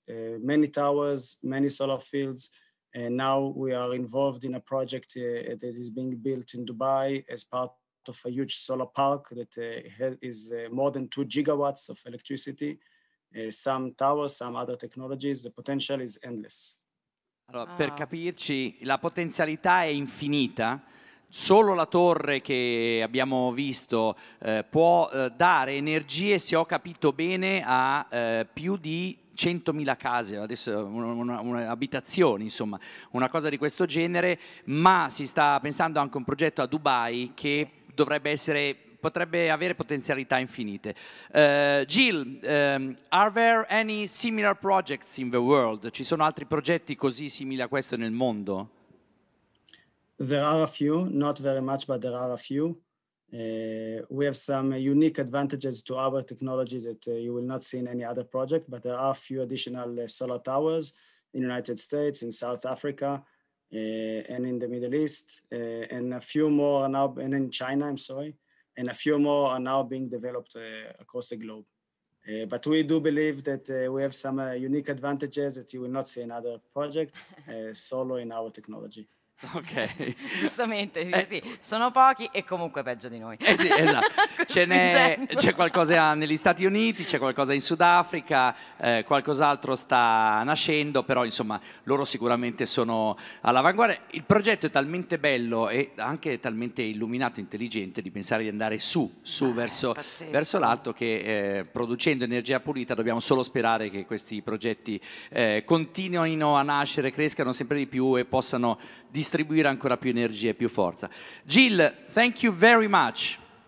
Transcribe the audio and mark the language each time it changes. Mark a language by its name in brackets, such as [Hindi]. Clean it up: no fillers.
[English] Many towers, many solar fields, and now we are involved in a project that is being built in Dubai as part of a huge solar park that is more than 2 gigawatts of electricity. Some towers, some other technologies, the potential is endless. [Italian] Allora, per capirci, la potenzialità è infinita. Solo la torre che abbiamo visto può dare energie, se ho capito bene, a più di 100.000 case, adesso una abitazione, insomma, una cosa di questo genere, ma si sta pensando anche a un progetto a Dubai che potrebbe avere potenzialità infinite. [English] Gil, are there any similar projects in the world? [Italian] Ci sono altri progetti così simili a questo nel mondo? [English] There are a few, not very much, but there are a few. We have some unique advantages to our technology that you will not see in any other project, but there are a few additional solar towers in the United States, in South Africa, and in the Middle East, and a few more are now, and in China, I'm sorry, and a few more are now being developed across the globe. But we do believe that we have some unique advantages that you will not see in other projects, solo in our technology. [Italian] Ok, giustamente, sì, sono pochi e comunque peggio di noi. Sì, esatto. C'è qualcosa negli Stati Uniti, c'è qualcosa in Sudafrica, qualcos'altro sta nascendo, però insomma loro sicuramente sono all'avanguardia. Il progetto è talmente bello e anche talmente illuminato e intelligente di pensare di andare su verso l'alto, che producendo energia pulita dobbiamo solo sperare che questi progetti continuino a nascere, crescano sempre di più e possano distribuire ancora più energia e più forza. Gil, [English] thank you very much.